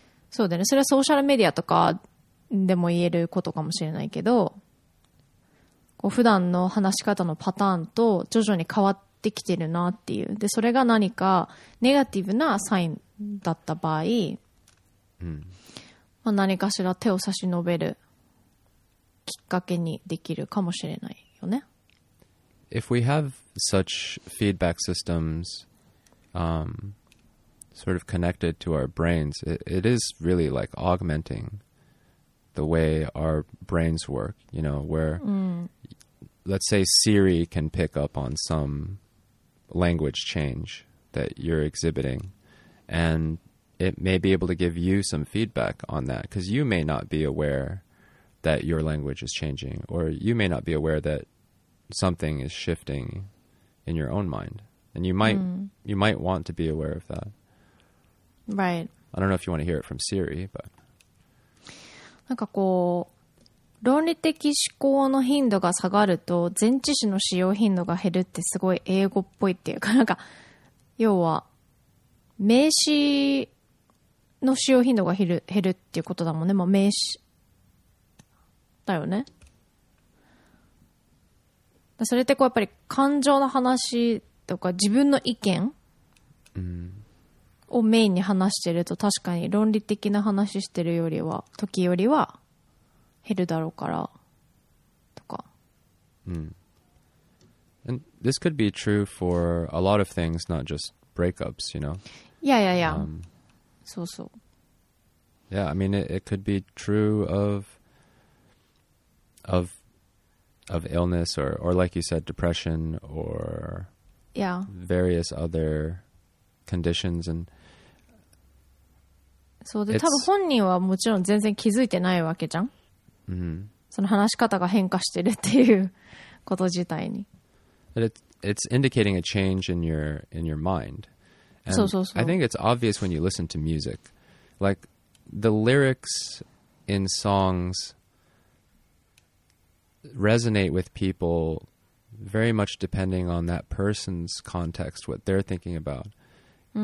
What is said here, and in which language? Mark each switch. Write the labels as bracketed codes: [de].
[ja] そうだね、それはソーシャルメディアとかでも言えることかもしれないけど、こう普段の話し方のパターンと徐々に変わってきてるなっていう、でそれが何かネガティブなサインだった場合、まあ、何かしら手を差し伸べるきっかけにできるかもしれないよね。 [en] If we have such feedback systems sort of connected to our brains, it is really like augmenting the way our brains work, you know, where let's say Siri can pick up on some language change that you're exhibiting, and it may be able to give you some feedback on that, because you may not be aware that your language is changing, or you may not be aware that something is shifting in your own mind, and you might want to be aware of that. Right. I don't know if you want to hear it from Siri, but... [ja] なんかこう論理的思考の頻度が下がると前置詞の使用頻度が減るってすごい英語っぽいっていうか、なんか要は名詞の使用頻度が減るっていうことだもんね。まあ名詞だよね。それってこうやっぱり感情の話とか自分の意見をメインに話してると、確かに論理的な話してるよりは時よりは減るだろうからとか。 [en] And this could be true for a lot of things, not just breakups, you know? Yeah, yeah, yeah. [ja] そうそう。 [en] Yeah, I mean, it could be true of illness or like you said, depression or various other conditions and... [ja] そうで、多分本人はもちろん全然気づいてないわけじゃん。その話し方が変化してるっていうこと自体に。 [en] It's indicating a change in your mind. [ja] And そうそうそう。 [en] I think it's obvious when you listen to music. Like, the lyrics in songs resonate with people very much depending on that person's context, what they're thinking about. Mm.